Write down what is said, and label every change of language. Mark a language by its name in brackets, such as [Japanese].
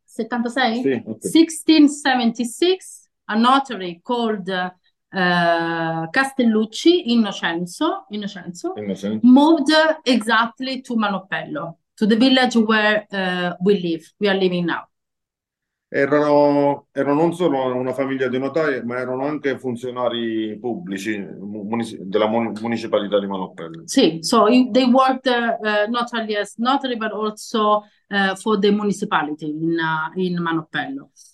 [Italian] Sì, 1676, ok. [English] a notary called Castellucci, Innocenzo, Innocenzo. moved exactly to Manopello, to the village where we are living now. [Italian] Erano non solo una famiglia di notai, ma erano anche funzionari pubblici della municipalità di Manopello. [English] Sì, so they worked not only as notary, but also for the municipality in Manopello.